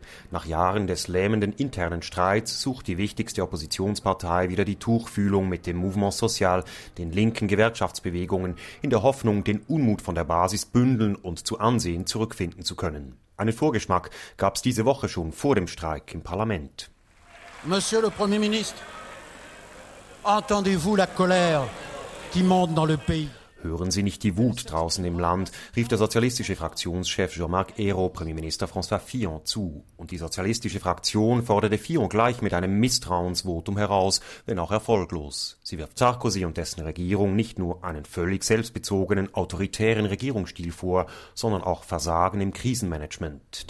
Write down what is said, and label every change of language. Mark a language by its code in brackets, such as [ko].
[de] Nach Jahren des lähmenden internen Streits sucht die wichtigste Oppositionspartei wieder die Tuchfühlung mit dem Mouvement Social, den linken Gewerkschaftsbewegungen, in der Hoffnung, den Unmut von der Basis bündeln und zu Ansehen zurückfinden zu können. Einen Vorgeschmack gab es diese Woche schon vor dem Streik im Parlament. [fr] Monsieur le Premier ministre, entendez-vous la colère qui monte dans le pays? [de] Hören Sie nicht die Wut draußen im Land, rief der sozialistische Fraktionschef Jean-Marc Ayrault Premierminister François Fillon zu. Und die sozialistische Fraktion forderte Fillon gleich mit einem Misstrauensvotum heraus, wenn auch erfolglos. Sie wirft Sarkozy und dessen Regierung nicht nur einen völlig selbstbezogenen, autoritären Regierungsstil vor, sondern auch Versagen im Krisenmanagement.